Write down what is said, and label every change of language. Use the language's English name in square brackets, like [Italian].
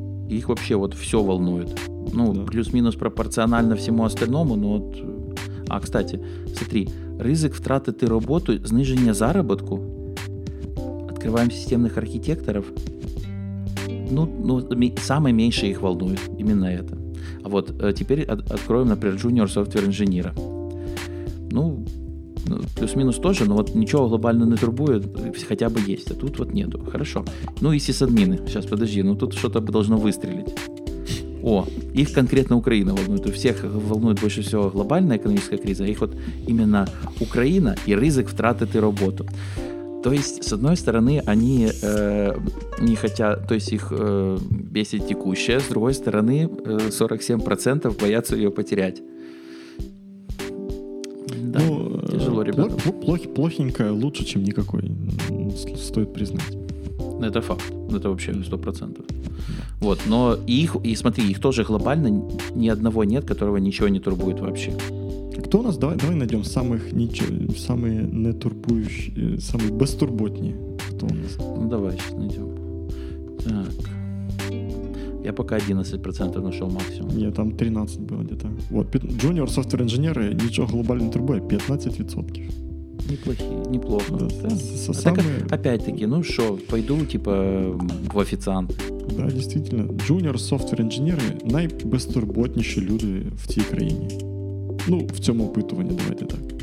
[Ukrainian] Їх взагалі от все волнує. Ну, да. Плюс-мінус пропорціонально всьому остальному, ну от... [Russian] А, кстати, смотри, [Ukrainian] ризик втратити роботу, зниження заробітку, відкриваємо системних архітекторів, ну, саме менше їх волнує, іменно це. А от тепер відкриваємо, наприклад, junior software engineer. Ну, плюс-мінус теж, ну, от нічого глобально не турбує, хоча б є, а тут от нету. Хорошо. Ну, і сисадміни. Зараз, подожди, ну, тут щось повинно вистрілити. О, їх конкретно Україна волнує. То всіх волнує більше всього глобальна економічна криза, а їх от іменно Україна і ризик втратити роботу. Тобто, з одної сторони, вони не хочуть, тобто їх бесить текуще, з другої сторони, 47% бояться її потеряти. [Russian] Да, ну, тяжело, ребята. Плохенькое лучше, чем никакой. Стоит признать. Это факт. Это вообще 100%. Вот, но их, и смотри, их тоже глобально ни одного нет, которого ничего не турбует вообще. Кто у нас? Давай найдем самые не турбующие, самые бестурботные. Кто у нас? Ну, давай сейчас найдем. Так. Я пока 11% нашел максимум. Нет, там 13 было где-то. Вот, junior software инженеры, ничего глобально турбует, 15%. Неплохо. Да, опять-таки, ну что, пойду типа в официант. Да, действительно. [Ukrainian] Junior software инженеры найбестурботніші люди в цій країні. Ну, в цьому опитуванні, давайте так.